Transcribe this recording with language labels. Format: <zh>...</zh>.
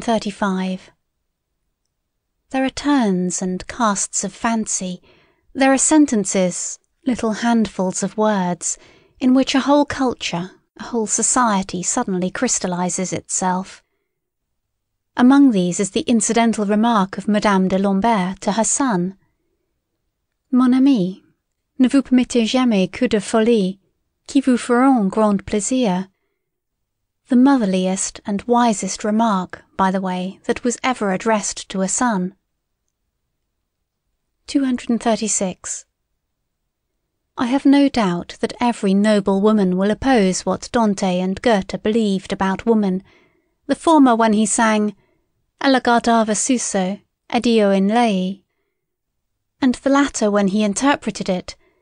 <en>235. There are turns and casts of fancy. There are sentences, little handfuls of words, in which a whole culture, a whole society suddenly crystallizes itself. Among these is the incidental remark of Madame de Lambert to her son.</en> <fr>Mon ami, ne vous permettez jamais coup de folie, qui vous feront grand plaisir.</fr> <en>The motherliest and wisest remark, by the way, that was ever addressed to a son. 236. I have no doubt that every noble woman will oppose what Dante and Goethe believed about woman, the former when he sang,</en> <it>Ella guardava suso, ed io in lei,</it> <en>and the latter when he interpreted it,</en>